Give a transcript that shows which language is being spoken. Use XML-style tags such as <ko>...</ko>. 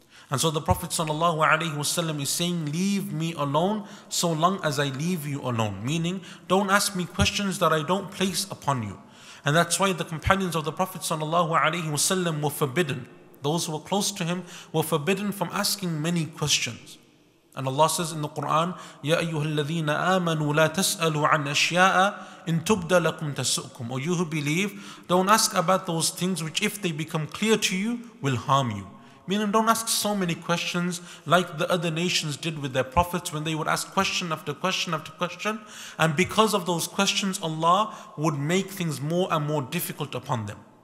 <en>And so the Prophet sallallahu alayhi wasallam is saying, leave me alone so long as I leave you alone. Meaning, don't ask me questions that I don't place upon you. And that's why the companions of the Prophet sallallahu alayhi wasallam were forbidden. Those who were close to him were forbidden from asking many questions.</en> <ar>And Allah says in the Quran, يَا أَيُّهَا الَّذِينَ آمَنُوا لَا تَسْأَلُوا عَنْ أَشْيَاءَ إِن تُبْدَ لَكُمْ تَسُؤْكُمْ.</ar> <en>O you who believe, don't ask about those things which if they become clear to you, will harm you. Meaning don't ask so many questions like the other nations did with their prophets when they would ask question after question after question. And because of those questions, Allah would make things more and more difficult upon them.</en>